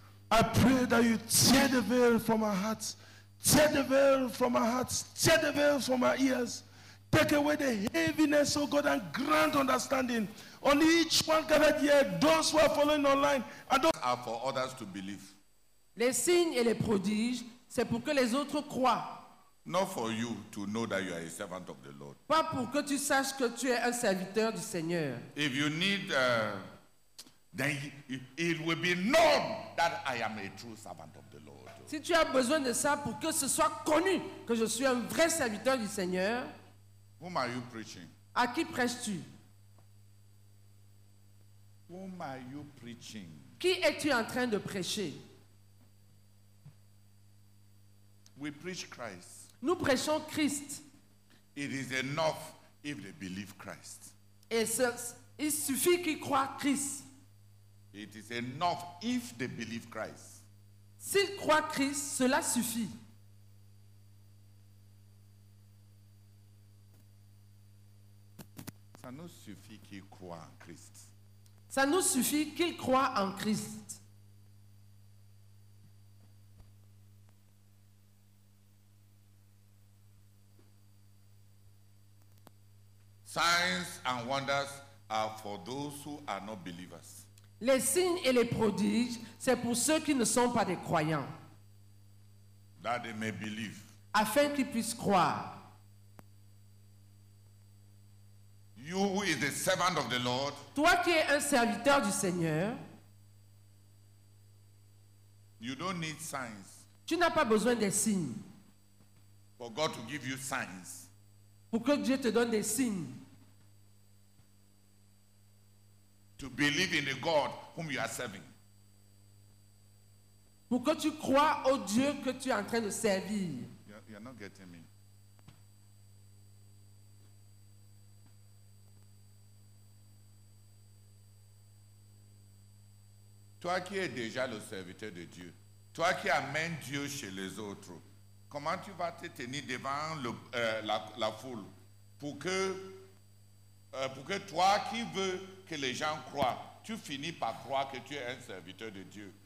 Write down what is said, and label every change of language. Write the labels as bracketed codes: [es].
[en] I pray that you tear the veil from our hearts. Tear the veil from our hearts. Tear the veil from our ears. Take away the heaviness, oh God, and grant understanding. On each one gathered here, those who are following online, and those are for others to believe. [fr] Les signes et les prodiges, c'est pour que les autres croient. [en] Not for you to know that you are a servant of the Lord. [fr] Pas pour que tu saches que tu es un serviteur du Seigneur. [en] If you need, then it will be known that I am a true servant of the Lord. [fr] Si tu as besoin de ça pour que ce soit connu que je suis un vrai serviteur du Seigneur. [en] Whom are you preaching? [fr] À qui prêches-tu? [en] Whom are you preaching? [fr] Qui es-tu en train de prêcher? [en] We preach Christ. [fr] Nous prêchons Christ. [en] It is enough if they believe Christ. [fr] Et ce, il suffit qu'ils croient Christ. [en] It is enough if they believe Christ. [fr] S'ils croient Christ, cela suffit. Ça nous suffit qu'ils croient en Christ. Ça nous suffit qu'ils croient en Christ. [en] Signs and wonders are for those who are not believers. [fr] Les signes et les prodiges, c'est pour ceux qui ne sont pas des croyants. [en] That they may believe. [fr] afin qu'il puisse croire. [en] You who is a servant of the Lord, [fr] toi qui es un serviteur du Seigneur, [en] you don't need signs. [fr] Tu n'as pas besoin des signes. [en] For God to give you signs. [fr] Pour que Dieu te donne des signes. [en] To believe in the God whom you are serving. [fr] Pour que tu crois au Dieu que tu es en train de servir. [en] You're not getting me. [fr] Toi qui es déjà le serviteur de Dieu, toi qui amènes Dieu chez les autres, comment tu vas te tenir devant la foule pour que toi qui veux que les gens croient, tu finis par croire que tu es un serviteur de Dieu.